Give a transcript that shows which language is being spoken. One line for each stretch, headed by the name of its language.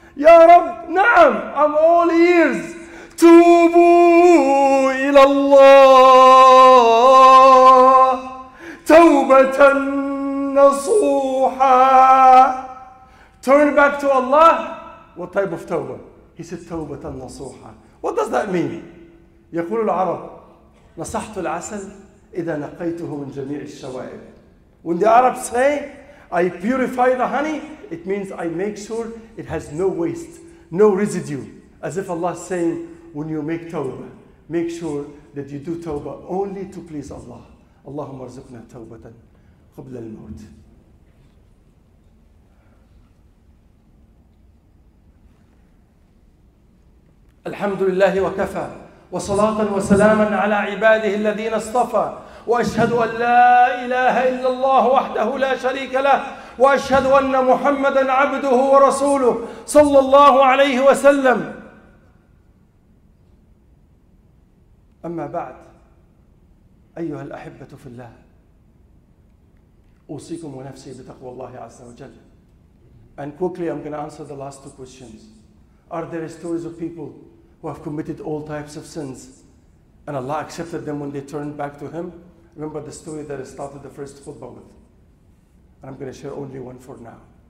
Arabic: Ya Rab, na'am,
English: I'm all ears.
Arabic: Tubu ila Allah tawbatan nasuha.
English: Turn back to Allah. What type of tawbah? He said, tawbah al-nasuha. What does that mean?
Arabic: يقول العرب, نصحت العسل إذا نقيته من جميع الشوائب.
English: When the Arabs say, I purify the honey, it means I make sure it has no waste, no residue. As if Allah is saying, when you make tawbah, make sure that you do tawbah only to please Allah.
Arabic: اللهم ارزقنا توبة قبل الموت. الحمد لله وكفى وصلاة وسلاما على عباده الذين اصطفى وأشهد أن لا إله إلا الله وحده لا شريك له وأشهد أن محمدا عبده ورسوله صلى الله عليه وسلم. أما بعد أيها الأحبة في الله، أوصيكم ونفسي بتقوى الله عز وجل.
English: And quickly I'm going to answer the last two questions. Are there stories of people who have committed all types of sins, and Allah accepted them when they turned back to Him. Remember the story that I started the first khutbah with. And I'm going to share only one for now.